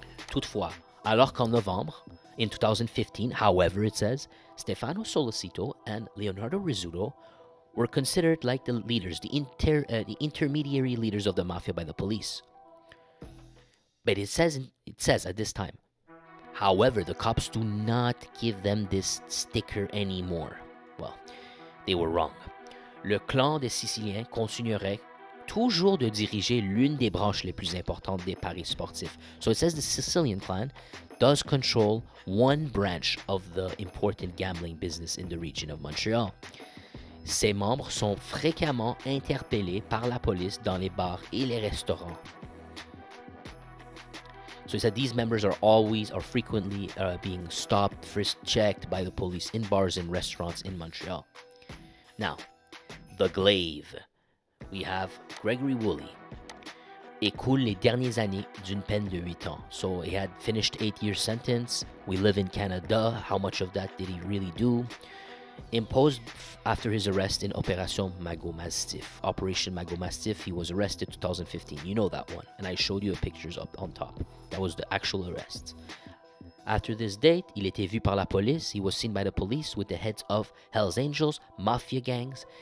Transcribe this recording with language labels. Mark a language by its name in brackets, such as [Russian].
[French] Toutefois, alors qu'en novembre, [English] in 2015, however, it says, Stefano Solicito and Leonardo Rizzuto were considered like the leaders, the intermediary leaders of the mafia by the police. But it says at this time, however, the cops do not give them this sticker anymore. Well, they were wrong. [French] Le clan des Siciliens continuerait toujours de diriger l'une des branches les plus importantes des paris sportifs. [English] So it says the Sicilian clan does control one branch of the important gambling business in the region of Montreal. [French] Ses membres sont fréquemment interpellés par la police dans les bars et les restaurants. [English] So it said these members are frequently being stopped, frisked, checked by the police in bars and restaurants in Montreal. Now, the glaive. We have Gregory Woolley. [French] Écoule les dernières années d'une peine de 8 ans. [English] So he had finished 8-year sentence. We live in Canada. How much of that did he really do? Imposed after his arrest in Operation Mago Mastiff. Operation Mago Mastiff. He was arrested 2015. You know that one. And I showed you a pictures up on top. That was the actual arrest. After this date, [French] il était vu par la police. [English] He was seen by the police with the heads of Hell's Angels, mafia gangs.